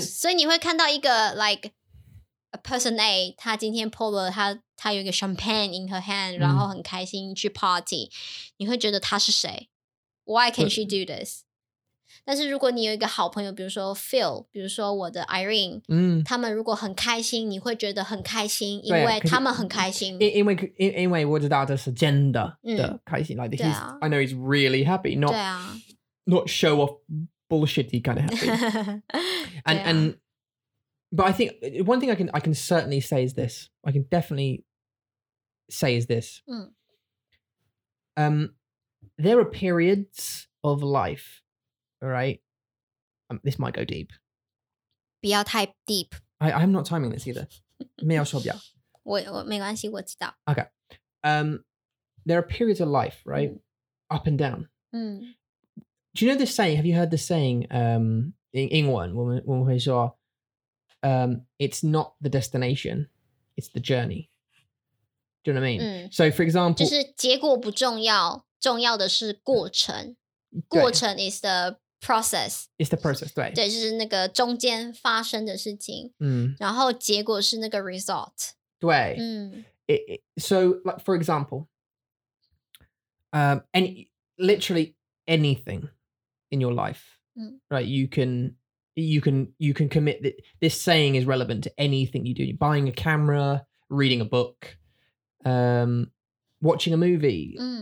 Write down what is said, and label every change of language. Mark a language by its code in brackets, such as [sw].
[zh] 所以你会看到一个 [en] like, a person A, [zh] 他今天 po 了他有一个 [en] champagne in her hand, [zh] 然后很开心去 party, 你会觉得他是谁？ [en] Why can she do this? [zh] 但是如果你有一个好朋友，比如说 Phil, 比如说我的 Irene, 他们如果很开心，你会觉得很开心，因为他们很开心。因为我知道这是真的的开心。 [en] Like, he's, I know he's really happy, not show off bullshitty kind of happy. And but I think one thing I can certainly say is this. I can definitely say is this. There are periods of life. Alright, this might go deep. [zh] 不要太 deep. [en] I'm not timing this either. [zh] 没有说不要。我没关系，我知道。 [en] Okay. There are periods of life, right? Up and down. Do you know this saying? Have you heard the saying in 英文？ [zh] 我们会说 [en] it's not the destination, it's the journey. Do you know what I mean? So for example, [zh] 就是结果不重要，重要的是过程。 [en] 过程 is the process. It's the process, 对。 [zh] 对，就是那个中间发生的事情。然后结果是那个 result. 对。 [en] So, like, for example, literally anything in your life, right, you can commit that this saying is relevant to anything you do. You're buying a camera, reading a book, watching a movie.